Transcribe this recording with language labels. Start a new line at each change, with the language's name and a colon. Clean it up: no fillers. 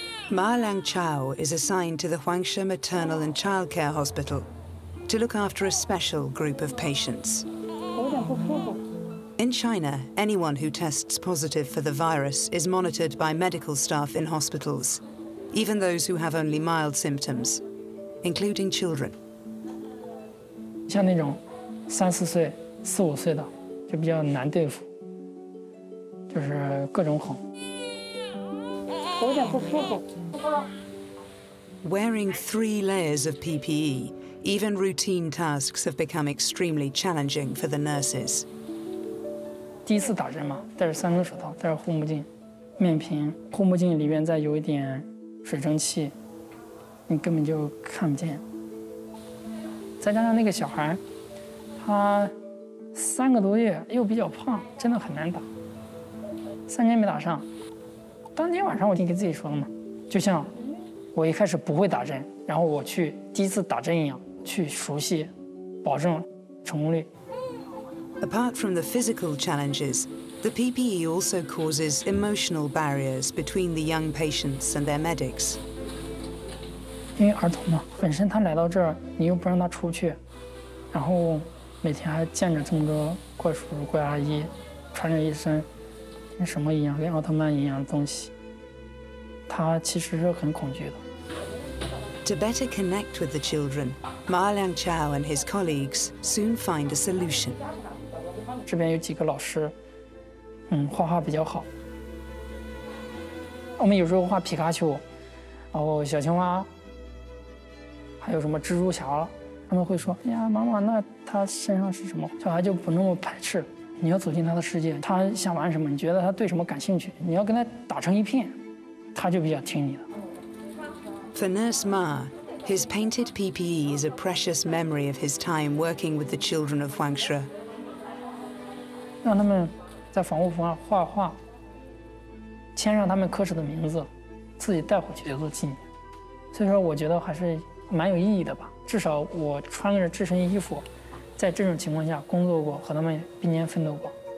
English: Ma Lang Chao is assigned to the Huangshe Maternal and Childcare Hospital to look after a special group of patients.
Chinese: 我有点不舒服。
English: In China, anyone who tests positive for the virus is monitored by medical staff in hospitals. Even those who have only mild symptoms, including children.
Chinese: 像那种3-4岁、4-5岁的就比较难对付，就是各种哄。我有点不舒服。
English: Wearing 3 layers of PPE, even routine tasks have become extremely challenging for the nurses.
Chinese: 第一次打针嘛，戴着3层手套，戴着护目镜、面屏，护目镜里面再有一点。水蒸气，你根本就看不见。再加上那个小孩，他3个多月又比较胖，真的很难打。 3年没打上，当天晚上我就给自己说了嘛，就像我一开始不会打针，然后我去第一次打针一样，去熟悉，保证成功率。
English: Apart from the physical challenges. The PPE also causes emotional barriers between the young patients and their medics.
Chinese: 因为儿童嘛，本身他来到这儿，你又不让他出去，然后每天还见着这么多怪叔叔、怪阿姨，穿着一身跟什么一样，跟奥特曼一样的东西，他其实是很恐惧的。
English: To better connect with the children, Ma Liang Chao and his colleagues soon find a solution.
Chinese: 这边有几个老师。画画比较好。我们有时候画皮卡丘，然后小青蛙，还有什么蜘蛛侠，他们会说：“哎呀，妈妈，那他身上是什么？” 小孩就不那么排斥。你要走进他的世界，他想玩什么，你觉得他对什么感兴趣，你要跟他打成一片，他就比较听你的。
English: For Nurse Ma, his painted PPE is a precious memory of his time working with the children of Huangshe.
Chinese: 让他们。在防护服上画画，签上他们科室的名字，自己带回去做纪念。所以说，我觉得还是蛮有意义的吧。至少我穿着这身衣服，在这种情况下工作过，和他们并肩奋斗过。